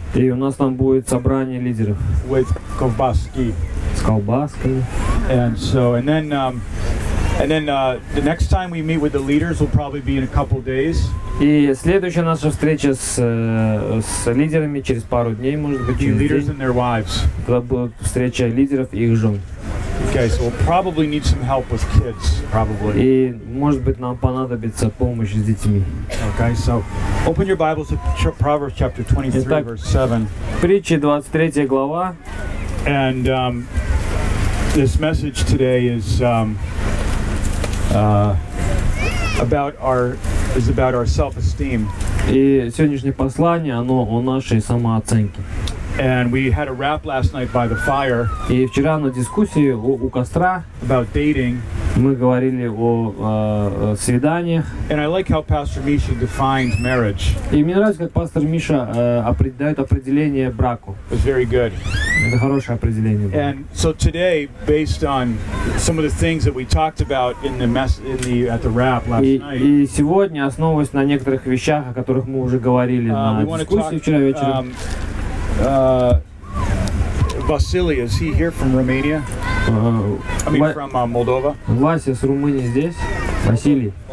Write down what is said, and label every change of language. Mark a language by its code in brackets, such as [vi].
[ru] и у нас там будет собрание лидеров [en] with Kovbasky. [ru] С колбаской. [en] The next time we meet with the leaders will probably be in a couple days. [ru] И следующая наша встреча с лидерами через пару дней, может быть, через [en] leaders [ru] день. [en] And their wives. [ru] Когда будет встреча лидеров и их жен. [en] Okay, so we'll probably need some help with kids, probably. [ru] И может быть нам понадобится помощь с детьми. [en] Okay, so open your Bibles to Proverbs chapter 23, [ru] Итак, [en] verse 7. [ru] Притчи 23 глава. [en] And this message today is about our self-esteem. [ru] И сегодняшнее послание, оно о нашей самооценке. [en] And we had a rap last night by the fire. [ru] И вчера на дискуссии у костра [en] about dating. [ru] Мы говорили о свиданиях. [en] And I like how Pastor Misha defines marriage. [ru] И мне нравится, как пастор Миша дает определение браку. [en] It was very good. [ru] Это хорошее определение. [en] And so today, based on some of the things that we talked about at the wrap last night. [ru] И сегодня, основываясь на некоторых вещах, о которых мы уже говорили на дискуссии вчера вечером. [en] Vasily, is he here from Romania? From Moldova? [ru] Vasya, с Румынии здесь? Василий.